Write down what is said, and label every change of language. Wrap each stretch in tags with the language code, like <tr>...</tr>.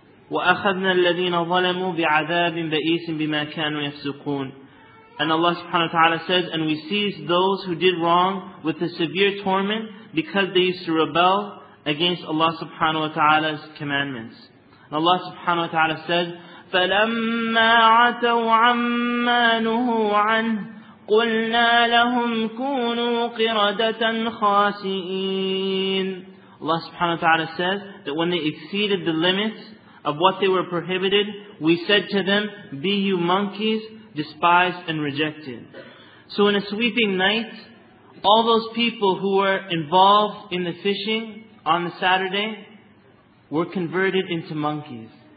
<ar>وَأَخَذْنَا الَّذِينَ ظَلَمُوا بِعَذَابٍ بَئِيسٍ بِمَا كَانُوا يَفْسُقُونَ.</ar> <en>And Allah subhanahu wa ta'ala says, and we seized those who did wrong with a severe torment because they used to rebel against Allah subhanahu wa ta'ala's commandments. And Allah subhanahu wa ta'ala says,</en> <ar>فَلَمَّا عَتَوْا عَمَّا نُهُوا عَنْهُ قُلْنَا لَهُمْ كُونُوا قِرَدَةً خَاسِئِينَ.</ar> <en>Allah subhanahu wa ta'ala says that when they exceeded the limits of what they were prohibited, we said to them, be you monkeys, despised and rejected. So in a sweeping night, all those people who were involved in the fishing on the Saturday were converted into monkeys.</en>